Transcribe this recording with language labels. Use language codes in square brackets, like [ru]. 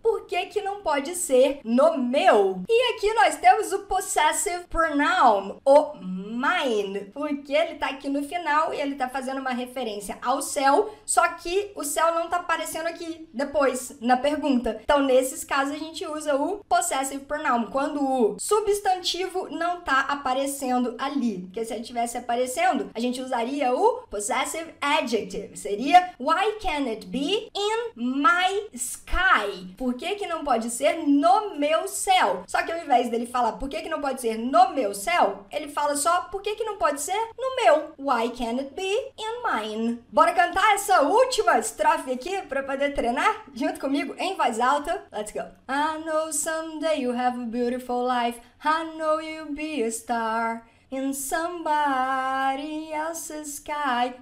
[pt] Por que não pode ser no meu? E aqui nós temos o possessive pronoun, o mine, porque ele tá aqui no final e ele tá fazendo uma referência ao céu, só que o céu não tá aparecendo aqui depois, na pergunta. Então, nesses casos, a gente usa o possessive pronoun, quando o substantivo não tá aparecendo ali. Porque se ele tivesse aparecendo, a gente usaria o possessive adjective. Seria [en] why can it be in my sky? [pt] Por que não pode ser no meu céu? Só que ao invés dele falar por que não pode ser no meu céu, ele fala só por que não pode ser no meu. [en] Why can it be in mine? [pt] Bora cantar essa última estrofe aqui pra poder treinar junto comigo em voz alta. [en] Let's go. I know someday you have a beautiful life. I know you'll be a star in somebody else's sky.